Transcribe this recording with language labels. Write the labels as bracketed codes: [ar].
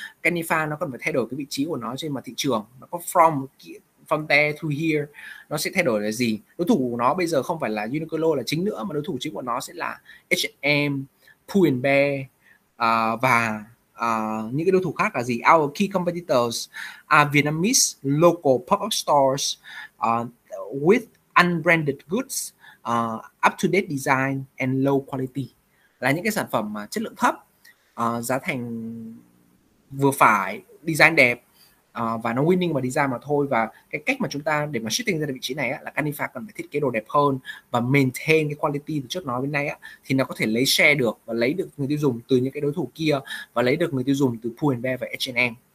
[vi] Canifa nó cần phải thay đổi cái vị trí của nó trên mặt thị trường. Nó có [en] from there to here. [vi] Nó sẽ thay đổi là gì? Đối thủ của nó bây giờ không phải là Uniqlo là chính nữa, mà đối thủ chính của nó sẽ là H&M, Pull and Bear và những cái đối thủ khác là gì? [en] Our key competitors are Vietnamese local pop-up stores with unbranded goods, up-to-date design and low quality. [vi] Là những cái sản phẩm mà chất lượng thấp, giá thành vừa phải, design đẹp, và nó winning mà design mà thôi. Và cái cách mà chúng ta để mà shifting ra được vị trí này á, là Canifa cần phải thiết kế đồ đẹp hơn và maintain cái quality từ trước nói bên này á, thì nó có thể lấy share được và lấy được người tiêu dùng từ những cái đối thủ kia và lấy được người tiêu dùng từ Pull&B và H&M.